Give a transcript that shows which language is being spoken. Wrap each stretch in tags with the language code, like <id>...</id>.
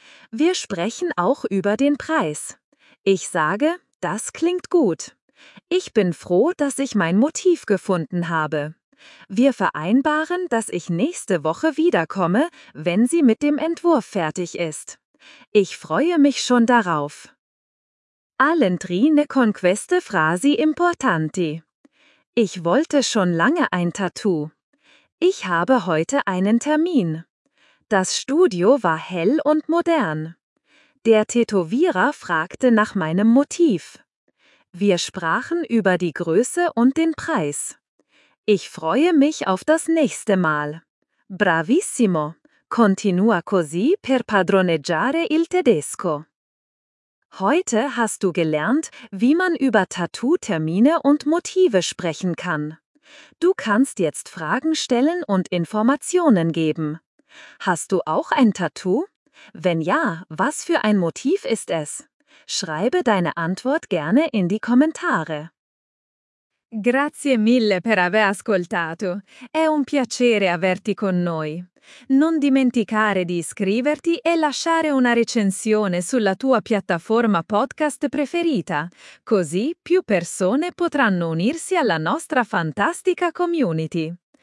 <de>Wir sprechen auch über den Preis. Ich sage, das klingt gut. Ich bin froh, dass ich mein Motiv gefunden habe. Wir vereinbaren, dass ich nächste Woche wiederkomme, wenn sie mit dem Entwurf fertig ist. Ich freue mich schon darauf.</de> <it>All'entri ne con queste frasi importanti.</it> <de>Ich wollte schon lange ein Tattoo. Ich habe heute einen Termin. Das Studio war hell und modern. Der Tätowierer fragte nach meinem Motiv. Wir sprachen über die Größe und den Preis. Ich freue mich auf das nächste Mal.</de> <it>Bravissimo! Continua così per padroneggiare il tedesco.</it> <de>Heute hast du gelernt, wie man über Tattoo-Termine und Motive sprechen kann. Du kannst jetzt Fragen stellen und Informationen geben. Hast du auch ein Tattoo? Wenn ja, was für ein Motiv ist es? Schreibe deine Antwort gerne in die Kommentare.</de> <it>Grazie mille per aver ascoltato. È un piacere averti con noi. Non dimenticare di iscriverti e lasciare una recensione sulla tua piattaforma podcast preferita, così più persone potranno unirsi alla nostra fantastica community.</it>